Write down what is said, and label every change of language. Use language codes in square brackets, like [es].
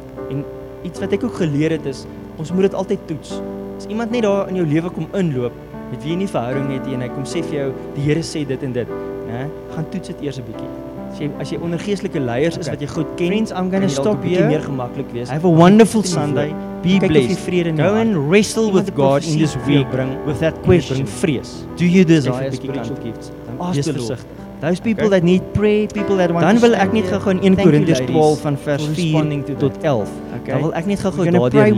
[af] En iets wat ek ook geleer het is, ons moet dit altyd toets. As iemand net daar in jou lewe kom inloop, met wie jy nie verhouding het nie en hy kom sê vir jou, die Here sê dit en dit, né? Gaan toets dit eers 'n bietjie. As jy onder geestelike leiers is wat jy goed ken, [en] friends, I'm going to stop here. [af] Jy moet meer gemaklik wees. [en] Have a wonderful Sunday. Be blessed. Go and wrestle with God in this week. Bring with that question. [af] Vrees. [en] Do you desire spiritual gifts? Ask the Lord. Those people that need prayer, people that want [af] dan wil ek net gou-gou in 1 Korintiërs 12 van vers 4 tot 11. [en] Okay. [af] Dan wil ek net gou-gou daardie